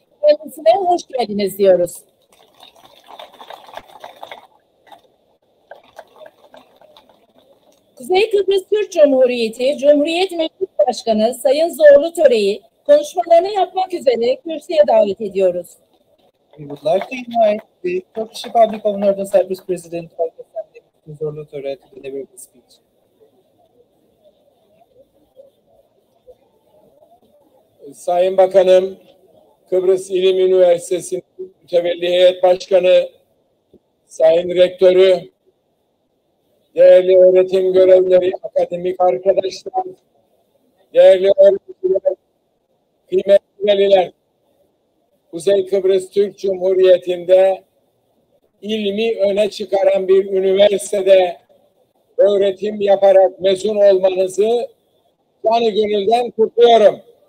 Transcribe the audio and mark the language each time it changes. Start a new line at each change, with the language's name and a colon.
Turkish: Kendisine hoş geldiniz diyoruz. Kuzey Kıbrıs Türk Cumhuriyeti Cumhuriyet Meclis Başkanı Sayın Zorlu Töre'yi konuşmalarını yapmak üzere kürsüye davet ediyoruz.
English: We would like to invite the Turkish Republic of Northern Cyprus President Hakan Zorlu Töre to deliver the speech.
Turkish: Sayın Bakanım, Kıbrıs İlim Üniversitesi'nin mütevelli heyet başkanı, Sayın Rektörü, değerli öğretim görevlileri, akademik arkadaşlar, değerli öğretmenler, kıymetli veliler, Kuzey Kıbrıs Türk Cumhuriyeti'nde ilmi öne çıkaran bir üniversitede öğretim yaparak mezun olmanızı canı gönülden kutluyorum.